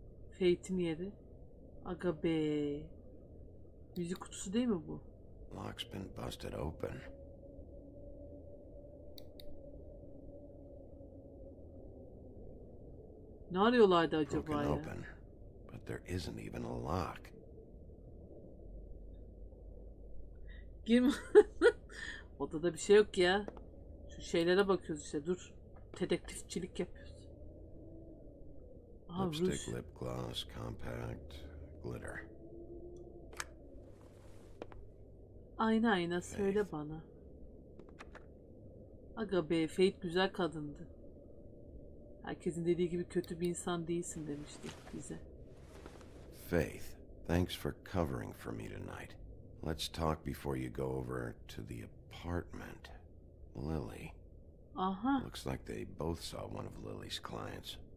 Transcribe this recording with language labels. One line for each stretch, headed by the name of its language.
Turkish: Fate'in yeri. Aga be. Müzik kutusu değil mi bu?
English: Lock's been busted open.
Turkish: Ne arıyorlardı acaba ya?
English: Open, but there isn't even a lock.
Turkish: Girme. Odada bir şey yok ya. Şu şeylere bakıyoruz işte. Dur. Dedektifçilik yapıyoruz.
English: Aa, lipstick, lip gloss, compact, glitter.
Turkish: Ayna ayna söyle Faith. Bana. Aga be, Faith güzel kadındı. Herkesin dediği gibi kötü bir insan değilsin demişti bize.
English: Faith, thanks for covering for me tonight. Let's talk before you go over to the apartment. Lily. Aha. Looks like they both saw one of Lily's clients.